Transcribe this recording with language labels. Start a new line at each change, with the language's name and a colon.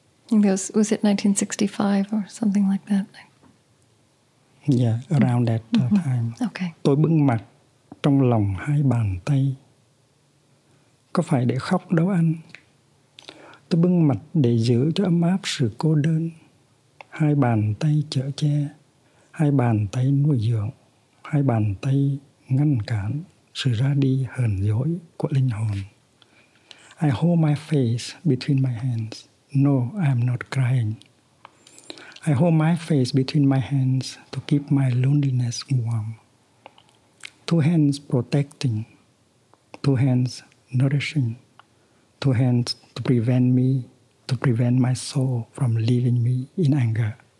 English: Was it 1965 or something like that? Yeah, around that time. Okay.
Vietnamese: Tôi bưng mặt trong lòng hai bàn tay. Có phải để khóc đâu anh? Tôi bưng mặt để giữ cho ấm áp sự cô đơn. Hai bàn tay chở che, hai bàn tay nuôi dưỡng, hai bàn tay ngăn cản sự ra đi hờn dỗi của linh hồn.
English: I hold my face between my hands. No, I am not crying. I hold my face between my hands to keep my loneliness warm. Two hands protecting, two hands nourishing, two hands to prevent my soul from leaving me in anger.